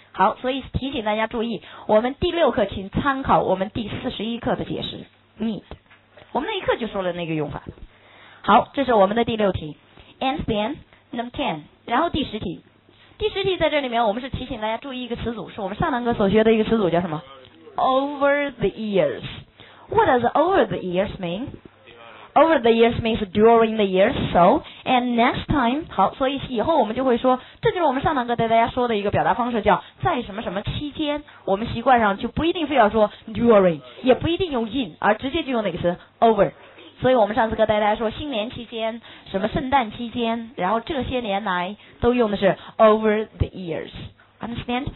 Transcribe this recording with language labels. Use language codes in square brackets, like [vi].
[zh] 好，所以提醒大家注意，我们第六课请参考我们第41课的解释 need， 我们那一课就说了那个用法。好，这是我们的第六题。 [en] And then number 10， [zh] 然后第十题在这里面，我们是提醒大家注意一个词组，是我们上堂课所学的一个词组，叫什么？ [en] Over the years。 What does over the years mean？ Over the years means during the years。 So and next time， [zh] 好，所以以后我们就会说，这就是我们上堂课带大家说的一个表达方式，叫在什么什么期间。我们习惯上就不一定非要说 during， 也不一定用 in， 而直接就用哪个词？ [en] over。 [zh] 所以我们上次课带大家说新年期间，什么圣诞期间，然后这些年来都用的是 [en] over the years， understand？